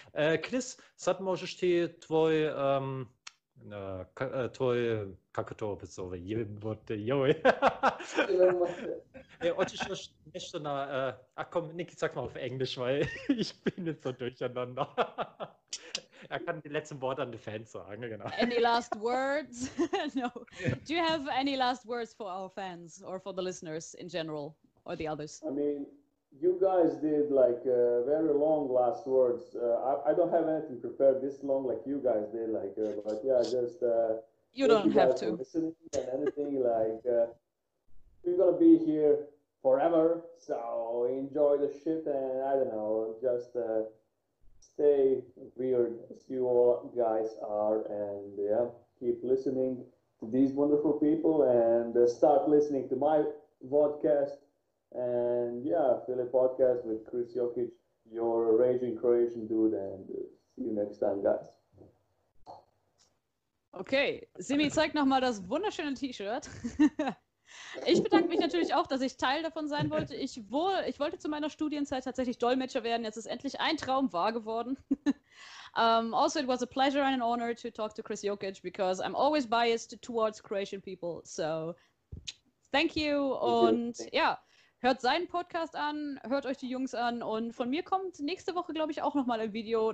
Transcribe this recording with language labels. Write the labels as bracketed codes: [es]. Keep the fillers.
[de] Äh, Chris, sag mal, steht, ähm, na, äh, toll, Kakator, so wie jeden Worte, jo. Ich möchte na, ach komm, Niki, sag mal auf Englisch, weil ich bin jetzt so durcheinander. er kann die letzten Worte an die Fans sagen, genau. [en] Any last words? no. Do you have any last words for our fans or for the listeners in general or the others? I mean you guys did like uh, very long last words. Uh, I, I, don't have anything prepared this long like you guys did. Like, uh, but yeah, just you don't have you to. anything like we're gonna be here forever, so enjoy the shit and I don't know, just stay weird as you all guys are, and yeah, keep listening to these wonderful people and start listening to my podcast And yeah, fill podcast with Chris Jokic, your raging Croatian dude. And see you next time, guys. [de] Okay, Simi zeigt nochmal das wunderschöne T-Shirt. ich bedanke mich natürlich auch, dass ich Teil davon sein wollte. Ich, wohl, ich, wollte zu meiner Studienzeit tatsächlich Dolmetscher werden. Jetzt ist endlich ein Traum wahr geworden. [en] um, also, it was a pleasure and an honor to talk to Chris Jokic, because I'm always biased towards Croatian people. So, thank you. [de] Und [en] thank you. [de] ja hört seinen Podcast an, hört euch die Jungs an und von mir kommt nächste Woche, glaube ich, auch nochmal ein Video.